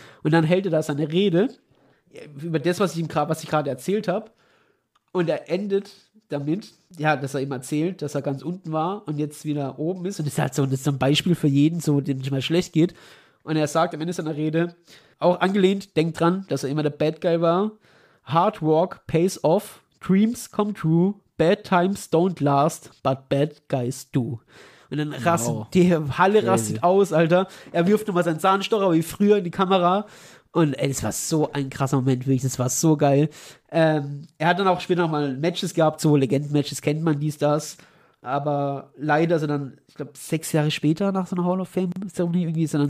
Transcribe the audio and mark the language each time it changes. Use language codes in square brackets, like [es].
[de] Und dann hält er da seine Rede über das, was ich gerade erzählt habe. Und er endet damit, ja, dass er ihm erzählt, dass er ganz unten war und jetzt wieder oben ist. Und das ist halt so, das ist so ein Beispiel für jeden, so, dem nicht mal schlecht geht. Und er sagt am Ende seiner Rede, auch angelehnt, denkt dran, dass er immer der Bad Guy war. [en] Hard work pays off, dreams come true, bad times don't last, but bad guys do. [de] Und dann rastet die Halle aus, Alter. Er wirft nochmal seinen Zahnstocher wie früher in die Kamera. Und es war so ein krasser Moment, wirklich, das war so geil. Er hat dann auch später nochmal Matches gehabt, so Legenden-Matches kennt man, dies, das. Aber leider ist er dann, ich glaube, 6 Jahre später nach so einer Hall of Fame-Zeremonie irgendwie ist er dann.